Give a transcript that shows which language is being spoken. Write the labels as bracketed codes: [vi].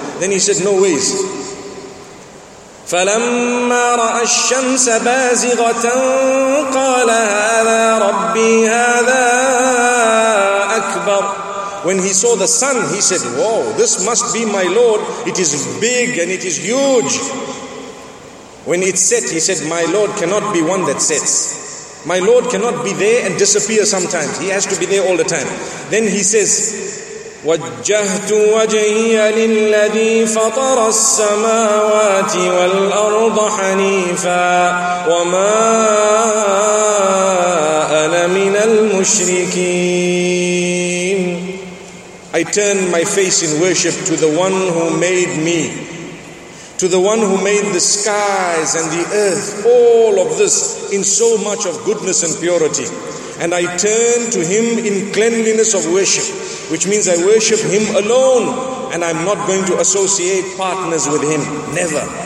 [en] Then he said, no ways. [ar] فَلَمَّا رَأَى الشَّمْسَ بَازِغَةً قَالَ هَذَا رَبِّي هَذَا أَكْبَرُ. [en] When he saw the sun, he said, whoa, this must be my Lord. It is big and it is huge. When it set, he said, my Lord cannot be one that sets. My Lord cannot be there and disappear sometimes. He has to be there all the time. Then he says, [ar] وجهت وجهي للذي فطر السماوات والأرض حنيفا وما أنا من المشركين. [en] I turn my face in worship to the one who made me, to the one who made the skies and the earth, all of this in so much of goodness and purity. And I turn to him in cleanliness of worship, which means I worship him alone and I'm not going to associate partners with him. Never.